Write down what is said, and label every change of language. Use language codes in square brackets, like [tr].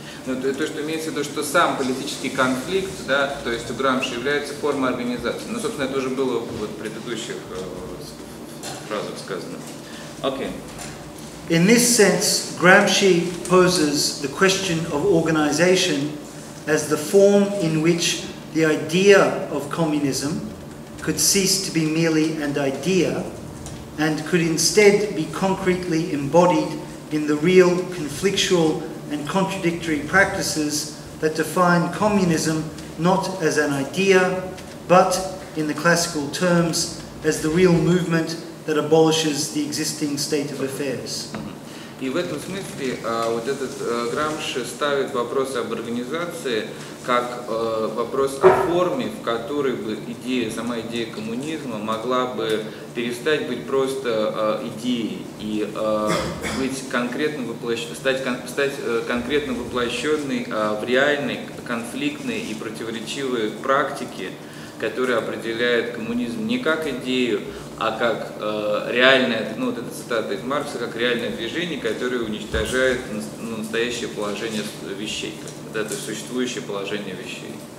[ru] Ну, то, что имеется в виду, что сам политический конфликт, да, то есть у Грамши является формой организации. Ну, собственно, это уже было в предыдущих фразах сказано. [en] Okay. In this sense, Gramsci poses the question of organization as the form in which the idea of communism could cease to be merely an idea and could instead be concretely embodied in the real conflictual and contradictory practices that define communism not as an idea, but in the classical terms, as the real movement that abolishes the existing state of affairs. [ru] И в этом смысле вот этот Грамши ставит вопрос об организации как вопрос о форме, в которой бы идея, сама идея коммунизма могла бы перестать быть просто идеей и стать конкретно воплощенной в реальной конфликтной и противоречивой практике, которая определяет коммунизм не как идею, а как реальное, ну вот эта цитата из Маркса, как реальное движение, которое уничтожает настоящее положение вещей, как, да, то есть существующее положение вещей.